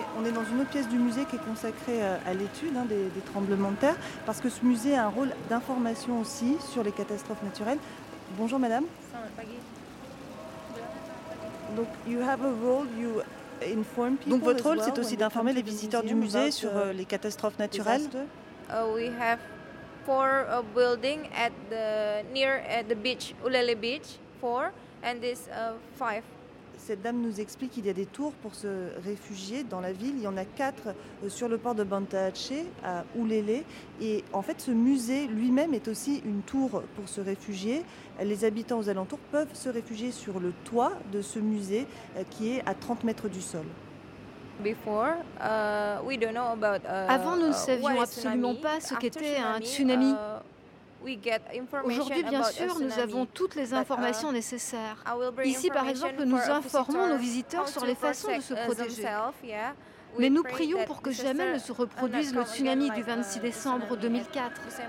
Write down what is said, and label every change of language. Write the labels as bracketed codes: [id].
[fr] On est dans une autre pièce du musée qui est consacrée à l'étude hein, des tremblements de terre, parce que ce musée a un rôle d'information aussi sur les catastrophes naturelles. Bonjour madame. [en] Donc, you have a role, you inform people. [fr] Donc votre rôle, well, c'est aussi d'informer les visiteurs du musée sur les catastrophes naturelles. [en] We have four building at the near at the beach, Ulele Beach, four, and this five. [fr] Cette dame nous explique qu'il y a des tours pour se réfugier dans la ville. Il y en a quatre sur le port de Banda Aceh, à Ulele. Et en fait, ce musée lui-même est aussi une tour pour se réfugier. Les habitants aux alentours peuvent se réfugier sur le toit de ce musée qui est à 30 mètres du sol. [en] Before, we don't know about, [fr] avant, nous ne savions absolument pas ce qu'était un tsunami. Aujourd'hui, bien sûr, nous avons toutes les informations nécessaires. Ici, par exemple, nous informons nos visiteurs sur les façons de se protéger. Mais nous prions pour que jamais ne se reproduise le tsunami du 26 décembre 2004.